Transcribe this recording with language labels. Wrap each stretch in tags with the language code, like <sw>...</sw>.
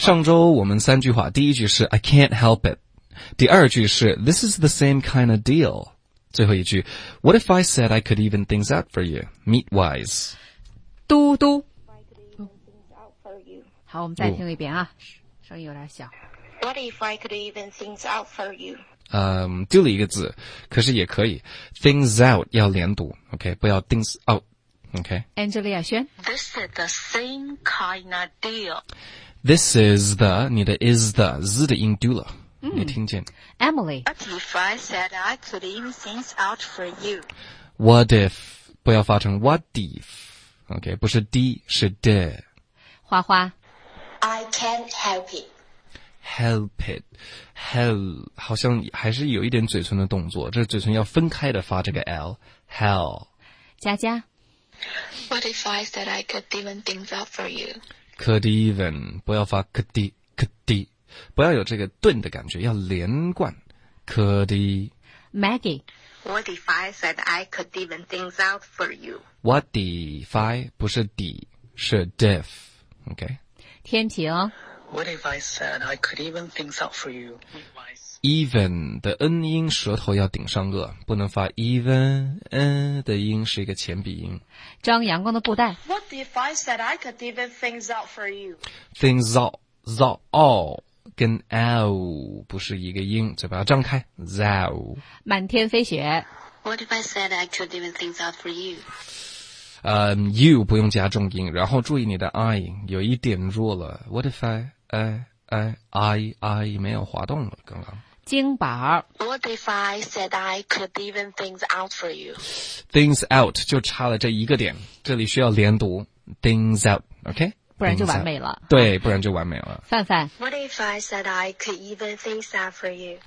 <zh>上周我们三句话，第一句是</zh> <en>I can't help it，</en> <zh>第二句是</zh> <en>This is the same kind of deal，</en> <zh>最后一句</zh> <en>What if I said I could even things out for you meat wise？</en> <zh>嘟嘟，好，我们再听一遍啊，声音有点小。</zh> <en>What if I could even things out for you？</en> <zh>丢了一个字，可是也可以 things out 要连读 ，OK， 不要 things out，OK、okay?。 Angelia 轩</zh> <en>，This is the same kind of deal. This is the 你的 is the z</en> <zh>的音丢了，没听见。</zh> <en>Emily， What if I said I could even things out for you？</en> <zh>What if 不要发成 what if， OK, 不是 D, 是 D. 花花。</zh> <en>I can't help it. Help it.</en> <zh>Hell, 好像还是有一点嘴唇的动作，这嘴唇要分开的发这个 L.</zh> <en>Hell.</en> <zh>佳佳。</zh> <en>What if I said I could even things up for you? Could even,</en> <zh>不要发</zh> <en>could, could.</en> <zh>不要有这个顿的感觉，要连贯。</zh> <en>Could. Maggie. What if I said I could even things out for you? What if I, 不是 D, 是 def, OK?</en> <zh>天庭。</zh> <en>What if I said I could even things out for you?</en> <zh>Even 的 N 音舌头要顶上颚，不能发 even, N 的音是一个前鼻音。张阳光的布袋。</zh> <en>What if I said I could even things out for you? Things out, out, all.</en> <zh>跟 L 不是一个音，嘴巴要张开。 Zao，满天飞雪。</zh> <en>What if I said I could even things out for you？</en> <zh>You 不用加重音，然后注意你的 I 有一点弱了。 What if I 没有滑动了，刚刚。金宝。</zh> <en>What if I said I could even things out for</en> <zh>you？Things out 就差了这一个点，这里需要连读 things out，OK？、Okay? 不然就完美了。对，不然就完美了。范范。</zh> <en>What if I said I could even things out for you?</en>